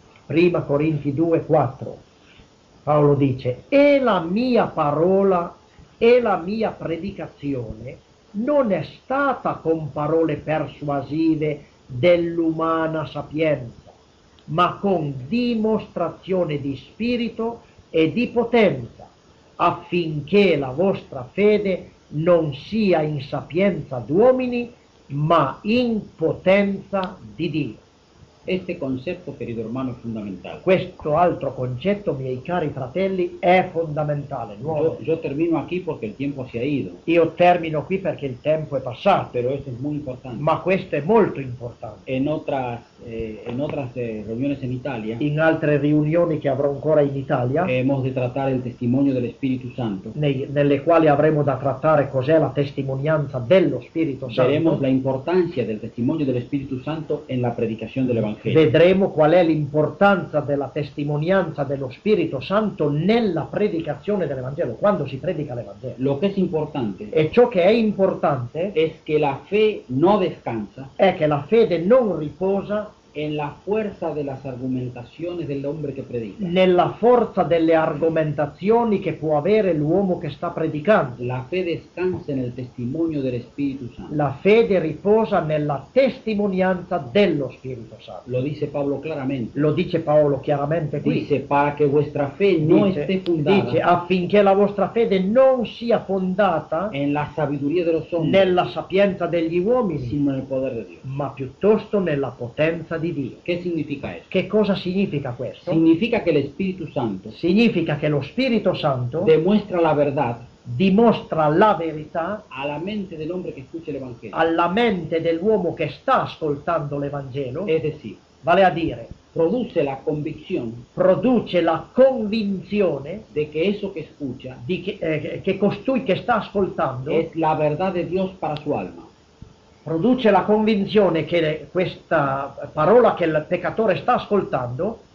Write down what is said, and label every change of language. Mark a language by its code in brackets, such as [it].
[it] Prima Corinti 2, 4, Paolo dice, e la mia parola e la mia predicazione non è stata con parole persuasive dell'umana sapienza, ma con dimostrazione di spirito e di potenza, affinché la vostra fede non sia in sapienza d'uomini, ma in potenza di Dio. [es] Este concepto, querido hermano, es fundamental. [it] Questo altro concetto, miei cari fratelli, è fondamentale. [es] Yo termino aquí porque el tiempo se ha ido. [it] Io termino qui perché il tempo è passato. [es] Pero esto es muy importante. [it] Ma questo è molto importante. [es] En otras reuniones en Italia. [it] In altre riunioni che avrò ancora in Italia. [es] Hemos de tratar el testimonio del Espíritu Santo. [it] Nelle quali avremo da trattare cos'è la testimonianza dello Spirito Santo. [es] Veremos la importancia del testimonio del Espíritu Santo en la predicación del Evangelio. [it] Vedremo qual è l'importanza della testimonianza dello Spirito Santo nella predicazione dell'Evangelo, quando si predica l'Evangelo. Lo che è importante. E ciò che è importante è che la fede non descansa. È che la fede non riposa. [es] En la fuerza de las argumentaciones del hombre que predica. [it] Nella forza delle argomentazioni che può avere l'uomo che sta predicando. La fede descansa nel testimonio dello Spirito Santo. La fede riposa nella testimonianza dello Spirito Santo. Lo dice Paolo chiaramente. Lo dice Paolo chiaramente qui. [es] Dice para que vuestra fe no esté fundada. [it] Dice affinché la vostra fede non sia fondata. [es] En la sabiduría de los hombres. [it] Nella sapienza degli uomini. [es] Sino en el poder de Dios. [it] Ma piuttosto nella potenza di Dio. Che significa questo? Che cosa significa questo? Significa che l'Espíritu Santo. Significa che lo Spirito Santo dimostra la verità. Dimostra la verità alla mente dell'uomo che ascolta l'Evangelo. Alla mente dell'uomo che sta ascoltando l'Evangelo. Ed è sì. Vale a dire. [es] Produce la convicción. [it] Produce la convinzione [es] de que eso que escucha. [it] Di che costui che sta ascoltando. [es] Es la verdad de Dios para su alma. [it] Produce la convinzione che questa parola che il peccatore sta ascoltando